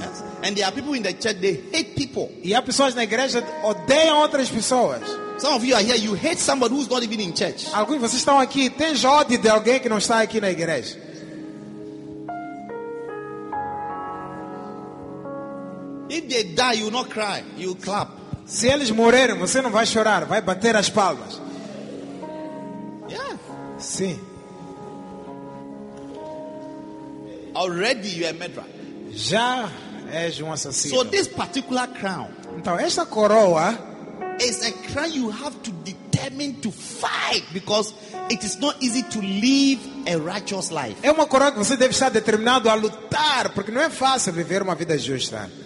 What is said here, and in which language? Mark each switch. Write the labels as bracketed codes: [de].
[en] Yes. And there are people in the church, they hate people. [pt] E há pessoas na igreja que odeiam outras pessoas. [en] Some of you are here, you hate somebody who's not even in church. [pt] Alguns de vocês estão aqui, tem ódio de alguém que não está aqui na igreja. [en] If they die, you will not cry, you will clap. [pt] Se eles morrerem, você não vai chorar, vai bater as palmas. [en] Yeah. [pt] Sim. [en] Already you are a murderer. [pt] Já és assassino. [en] So this particular crown. [pt] Então esta coroa [en] is a crown you have to determine to fight because it is not easy to live a righteous life. [pt] É uma coroa que você deve estar determinado a lutar, porque não é fácil viver uma vida justa.